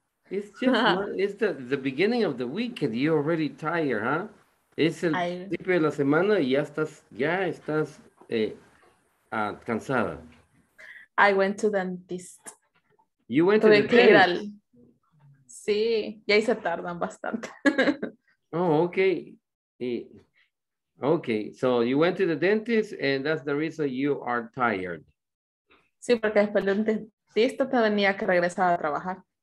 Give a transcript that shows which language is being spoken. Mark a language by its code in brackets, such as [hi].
[en] It's just, it's the beginning of the week and you're already tired, huh? [es] Es el principio de la semana y ya estás cansada. [en] I went to the dentist. You went to the dentist? [es] Sí, y ahí se tardan bastante. [en] Oh, okay. Okay, so you went to the dentist and that's the reason you are tired. [es] Sí, porque después del dentista tenía que regresar a trabajar.